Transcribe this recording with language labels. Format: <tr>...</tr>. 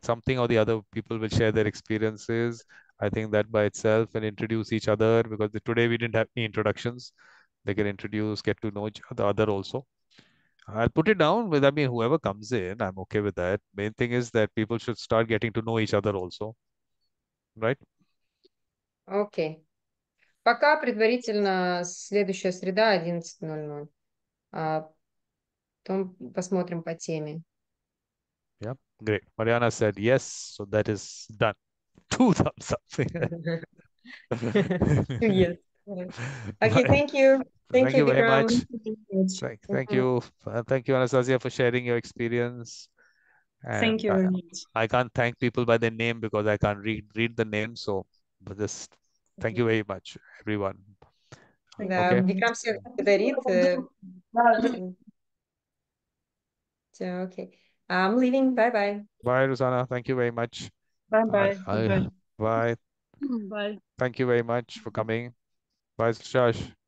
<en>Something or the other, people will share their experiences. I think that by itself and introduce each other because today we didn't have any introductions. They can introduce, get to know each other also. I'll put it down with, I mean, whoever comes in, I'm okay with that. Main thing is that people should start getting to know each other also. Right?</en> <ru>Окей. Пока предварительно следующая среда 11:00. Потом посмотрим по теме.</ru> <en>Yeah, great. Mariana said yes, so that is done. Two thumbs up. Yes. Okay, Right. thank you. Thank Thank you, you very much. Vikram. Thank you. Thank you, Anastasia, for sharing your experience. Thank you very much. I can't thank people by their name because I can't read the name. So but just thank you very much, everyone.</en> <ru>Да,</ru> <en>Okay.</en> <ru>Викрам всех благодарит.</ru> <en>Okay. I'm leaving. Bye bye. Bye, Rosanna. Thank you very much. Bye Bye. bye. Goodbye. Bye. Bye. Thank you very much for coming. Bye, Shash.</en>